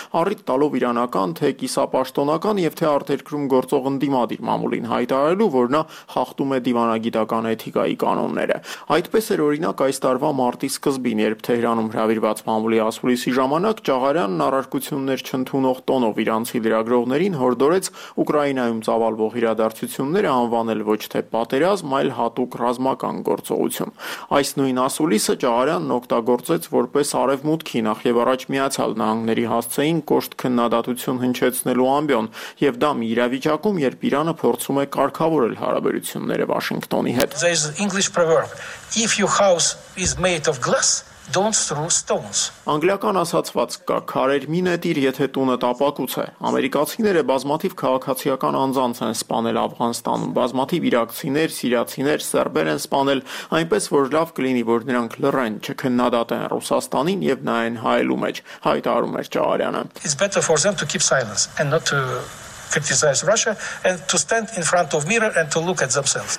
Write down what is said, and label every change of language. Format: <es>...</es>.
<hy>առիթ տալով իրանական թե կիսապաշտոնական և թե արտերկրում գործող ընդդիմադիր մամուլին հայտարարել, որ նա խախտում է դիվանագիտական էթիկայի կանոնները։ Այդպես էր օրինակ այս տարվա մարտի սկզբին, երբ Թեհրանում հրավիրված մամուլի ասուլիսի ժամանակ Ճաղարյանն առարկություններ չընդունող տոնով իրանցի լրագրողներին հորդորեց Ուկրաինայում ծավալվող իրադարձությունները անվանել ոչ թե պատերազմ, այլ հատուկ ռազմական գործողություն։ Այս նույն ասուլիսը Ճաղարյանն օգտագործեց որպես արևմուտքի նախ և առաջ Միացյալ Նահանգների հասցեին կոշտ քննադատություն հնչեցնելու ամբյոն, և դա մի իրավիճակում, երբ Իրանը փորձում է կարգավորել հարաբերությունները Վաշինգտոնի հետ։</hy> <en>There is English proverb, if your house is made of glass, Don't throw stones.</en> <hy>Անգլիական ասացված կա. Քարեր մի նետիր, եթե տունը տապակուց է։ Ամերիկացիները բազմաթիվ քաղաքացիական անձանց են սպանել Աֆղանստանում, բազմաթիվ իրաքցիներ, սիրացիներ, սերբեր են սպանել, այնպես որ լավ կլինի, որ նրանք լռեն, չքննադատեն Ռուսաստանին և նայեն հայելու մեջ, հայտարում էր Ճահարյանը։</hy> <en>It's better for them to keep silence and not to criticize Russia and to stand in front of mirror and to look at themselves.</en>